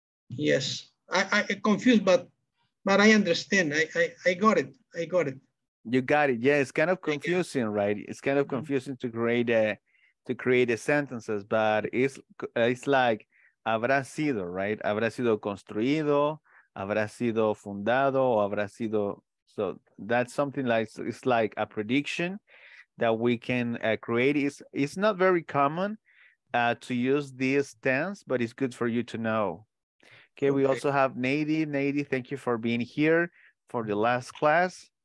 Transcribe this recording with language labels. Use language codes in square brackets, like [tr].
[en] Yes, I confused, but I understand. I got it. I got it. You got it. Yeah, it's kind of Thank you. confusing, right? It's kind of confusing to create a sentences, but it's like [es] habrá sido, [en] right? [es] Habrá sido construido, habrá sido fundado, o habrá sido. [en] So that's something like it's like a prediction that we can create. It's not very common to use this tense, but it's good for you to know. Okay, we Okay. also have Nady. Nady, thank you for being here for the last class.